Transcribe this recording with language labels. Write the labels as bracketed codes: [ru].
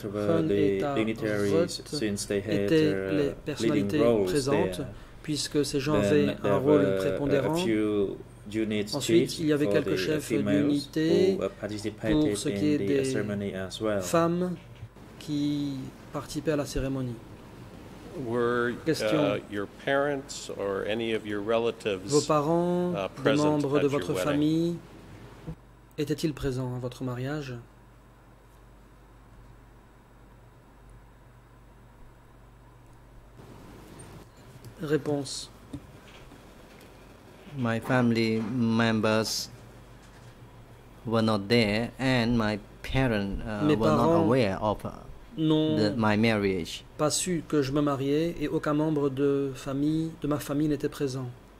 [en] were the dignitaries since they had [fr] étaient les personnalités présentes, [en] there. [fr] Puisque ces gens avaient un rôle prépondérant. Ensuite, il y avait quelques chefs d'unité pour ce qui est des [en] well. [fr] Femmes qui participaient à la cérémonie. [en] Were your parents or any of your relatives [fr] vos parents, des membres de votre famille, étaient-ils présents à votre mariage? Réponse. [en] My family members were not there and my parents were not aware of my marriage. [fr] Pas su que je me mariais et aucun membre de famille de ma famille n'était présent.